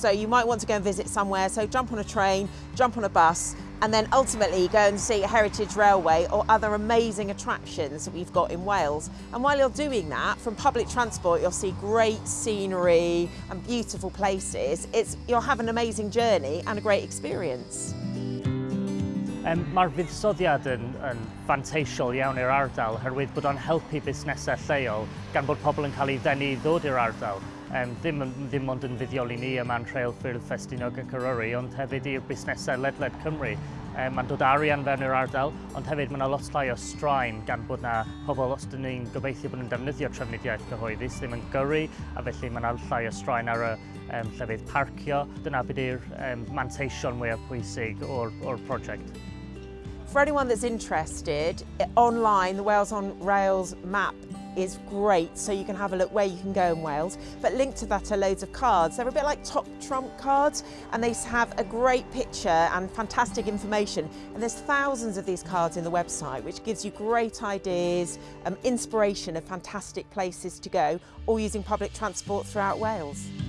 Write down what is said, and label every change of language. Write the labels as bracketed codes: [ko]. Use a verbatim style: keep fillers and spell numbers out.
[en] So you might want to go and visit somewhere, so jump on a train, jump on a bus, and then ultimately go and see a heritage railway or other amazing attractions that we've got in Wales. And while you're doing that, from public transport, you'll see great scenery and beautiful places. It's, you'll have an amazing journey and a great experience. [cy] Um, Mae'r buddsoddiad yn, yn fanteisiol iawn i'r ardal, oherwydd bod o'n helpu busnesau lleol gan bod pobl yn cael ei ddenu i ddod i'r ardal. Um, ddim, ddim ond yn fuddiol i ni yma yn Rheilffyrdd, Ffestiniog ac Eryri, ond hefyd i'r busnesau ledled Cymru. Um, mae'n dod arian fewn i'r ardal, ond hefyd mae yna lot llai o straen gan bod na pobl os dyn ni'n gobeithio bod nhw'n defnyddio trefnidiaeth gyhoeddus, ddim yn gyrru, a felly mae yna llai o straen ar y um, llefydd parcio. Dyna byd yw'r um, manteision mwyaf pwysig o'r, o'r prosiect. [en] For anyone that's interested, online the Wales on Rails map is great, so you can have a look where you can go in Wales, but linked to that are loads of cards. They're a bit like top trump cards and they have a great picture and fantastic information, and there's thousands of these cards in the website which gives you great ideas and inspiration of fantastic places to go, all using public transport throughout Wales.